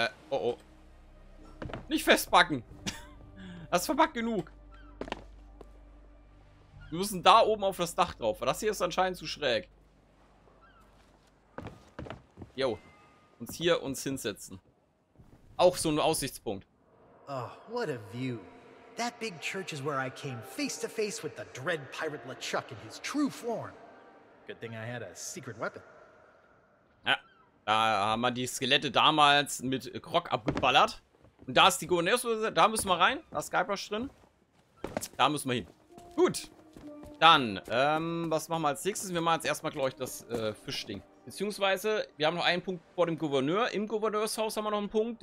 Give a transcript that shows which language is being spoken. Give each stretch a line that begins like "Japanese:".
German: Oh, oh. Nicht festbacken. Das ist verpackt genug. Wir müssen da oben auf das Dach drauf. Das hier ist anscheinend zu schräg. Jo. Uns hier uns hinsetzen. Auch so ein Aussichtspunkt.
English: Oh, what a view. That big church is where I came face to face with the dread pirate LeChuck in his true form. Good thing I had a secret weapon.
German: Ja, da haben wir die Skelette damals mit Grog abgeballert. Und da ist die Gouverneurswürde. Da müssen wir rein. Da ist Skybrush drin. Da müssen wir hin. Gut. Dann, was machen wir als nächstes? Wir machen jetzt erstmal, glaube ich, das Fischding. Beziehungsweise, wir haben noch einen Punkt vor dem Gouverneur. Im Gouverneurshaus haben wir noch einen Punkt.